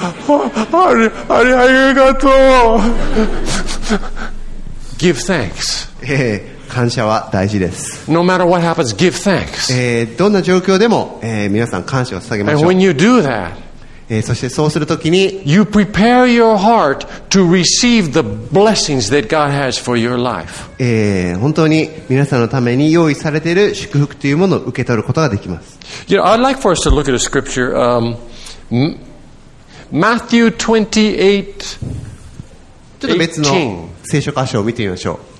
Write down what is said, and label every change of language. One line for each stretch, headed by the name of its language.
Japanese: ありがとう。
English: Give thanks.
Japanese: 感謝は大事です。
English: No matter what happens, give thanks.
Japanese: どんな状況でも、皆さん感謝を捧げましょう。
English: And when you do that,
Japanese: そしてそうするときに、
English: you prepare your heart to receive the blessings that God has for your life.
Japanese: 本当に皆さんのために用意されている祝福というものを受け取ることができます。
English: You know, I'd like for us to look at a scripture, Matthew 28:18.
Japanese: ちょっと別の聖書箇所を見てみましょう。